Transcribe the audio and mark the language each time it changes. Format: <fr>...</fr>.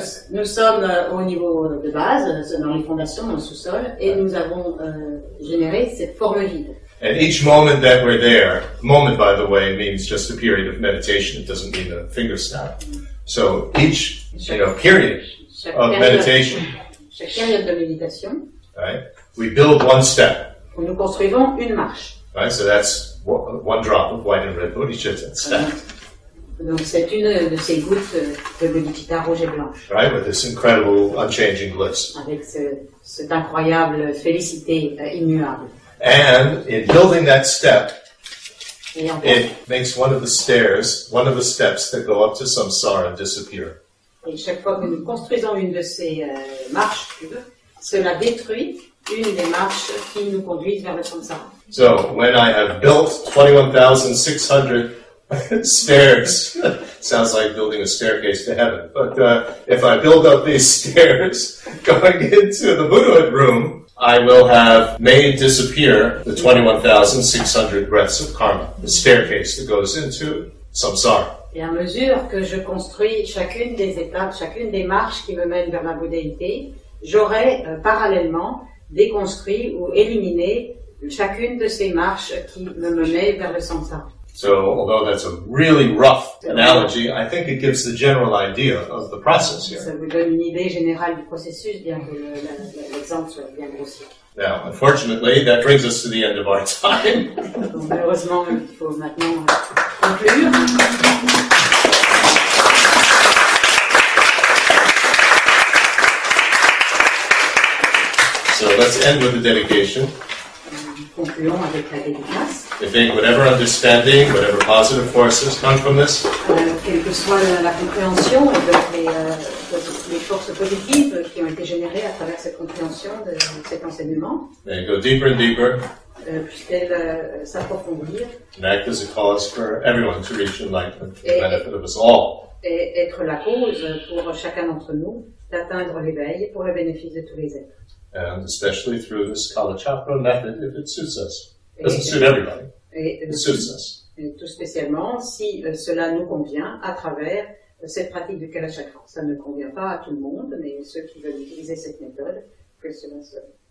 <fr>Nous sommes au niveau de base, dans les fondations, dans le sous-sol, et nous avons généré cette forme vide.</fr> <en>And each moment that we're there, moment by the way means just a period of meditation, it doesn't mean a finger snap. So each period of meditation,</en> <fr>chaque période de méditation,</fr> <en>right, we build one step.</en> <fr>Nous construisons une marche.</fr> <en>Right, so that's one drop of white and red bodhicitta step.</en> <fr>Donc c'est une de ces gouttes de bodhicitta rouge et blanche.</fr> <en>Right, with this incredible unchanging bliss.</en> <fr>Avec cette incroyable félicité immuable.</fr> <en>And in building that step, it makes one of the steps that go up to samsara disappear.</en> <fr>Et chaque fois que nous construisons une de ces marches, cela détruit une des marches qui nous conduit vers le samsara.</fr> <en>So, when I have built 21,600 stairs, sounds like building a staircase to heaven, but if I build up these stairs going into the Buddhahood room, I will have made disappear the 21,600 breaths of karma, the staircase that goes into samsara.</en> <fr>Et à mesure que je construis chacune des étapes, chacune des marches qui me mènent vers ma bouddhéité, j'aurai parallèlement déconstruit ou éliminé chacune de ces marches qui me menaient vers le samsara.</fr> <en>So, although that's a really rough analogy, I think it gives the general idea of the process here.</en> <fr>Ça vous donne une idée générale du processus, bien que l'exemple soit bien grossier.</fr> <en>Now, unfortunately, that brings us to the end of our time.</en> <fr>Malheureusement, il faut maintenant conclure.</fr> <en>So, let's end with the dedication.</en> <fr>Concluons avec la dédicace.</fr> <en>I think whatever understanding, whatever positive forces come from this,</en> <fr>quelle que soit la compréhension et les forces positives qui ont été générées à travers cette compréhension de cet enseignement,</fr> <en>may it go deeper and deeper,</en> <fr>puisqu'elle s'approfondir,</fr> <en>and act as a cause for everyone to reach enlightenment for the benefit of us all.</en> <fr>Et être la cause pour chacun d'entre nous d'atteindre l'éveil pour le bénéfice de tous les êtres.</fr> <en>And especially through this Kalachakra method, if it suits us. It doesn't suit everybody. It suits us.</en> <fr>Et tout spécialement si cela nous convient à travers cette pratique du Kalachakra. Ça ne convient pas à tout le monde, mais ceux qui veulent utiliser cette méthode, que cela soit.</fr>